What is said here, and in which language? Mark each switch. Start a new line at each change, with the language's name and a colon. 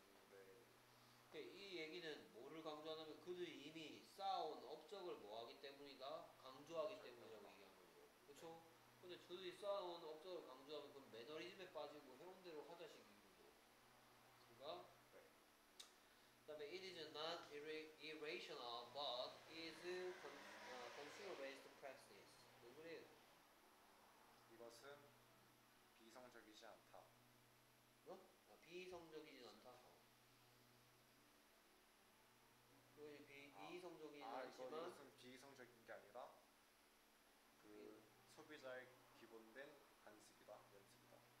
Korean: 네. 이 얘기는 뭐를 강조하냐면 그들이 이미 쌓아온 업적을 뭐하기 때문이다? 강조하기 때문이라고 얘기한 거죠. 그렇죠? 네. 근데 그들이 쌓아온 업적을 강조하면 그건 매너리즘에 빠지고 해운대로 하자식인 거죠. 그렇습니까? 네. 그 다음에
English: it is not irrational but is consumer-based practice.
Korean: 뭔 소리예요? 이것은 비이성적이지 않다. 어? 아, 비이성적이지 않다. 이것이 비이성적이지 않지만 이것은 비이성적인 게 아니라 그 소비자의 기본된 관습이다, 연습이다.